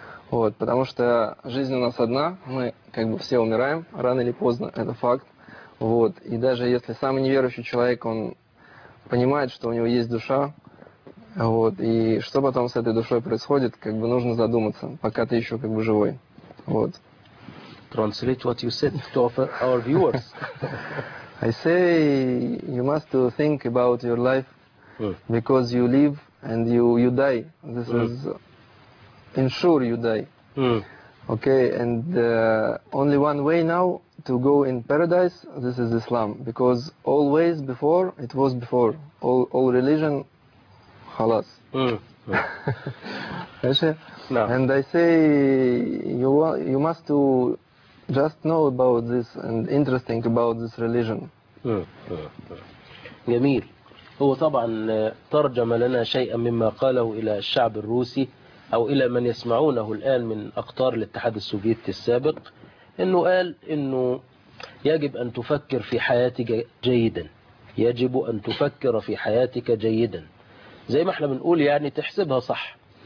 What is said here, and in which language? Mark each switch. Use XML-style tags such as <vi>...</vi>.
<ru>Вот, потому что жизнь у нас одна, мы как бы все умираем рано или поздно, это факт. Вот, и даже если самый неверующий человек, он понимает, что у него есть душа. Вот, и что потом с этой душой происходит, как бы нужно задуматься, пока ты еще как бы живой. Вот.</ru> <en>Translate what you said to our viewers. I say you must think about your life because you live and you die. This is ensure you die. Okay, and only one way now to go in paradise, this is Islam. Because all ways before, it was before. All religion, halas. And I say you must to just know about this and interesting about this religion.</en> <ar>جميل. هو طبعا ترجم لنا شيئا مما قاله إلى الشعب الروسي أو إلى من يسمعونه الآن من أقطار الاتحاد السوفيتي السابق، إنه قال إنه يجب أن تفكر في حياتك جيدا، يجب أن تفكر في حياتك جيدا، زي ما احنا بنقول يعني تحسبها صح.</ar>